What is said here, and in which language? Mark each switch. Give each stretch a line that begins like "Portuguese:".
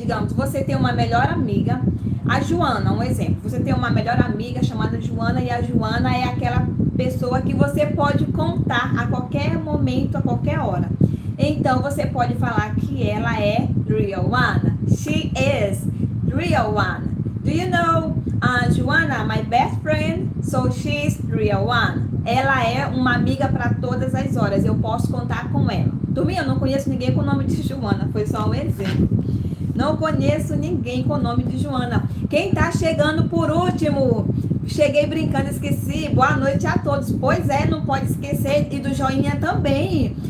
Portuguese: Digamos, você tem uma melhor amiga, a Joana, um exemplo. Você tem uma melhor amiga chamada Joana e a Joana é aquela pessoa que você pode contar a qualquer momento, a qualquer hora. Então, você pode falar que ela é
English: real one. She is real one. Do you know Joana, my best friend, so she's real one.
Portuguese: Ela é uma amiga para todas as horas, eu posso contar com ela. Turminha, eu não conheço ninguém com o nome de Joana, foi só um exemplo. Não conheço ninguém com o nome de Joana. Quem tá chegando por último? Cheguei brincando, esqueci. Boa noite a todos. Pois é, não pode esquecer. E do joinha também.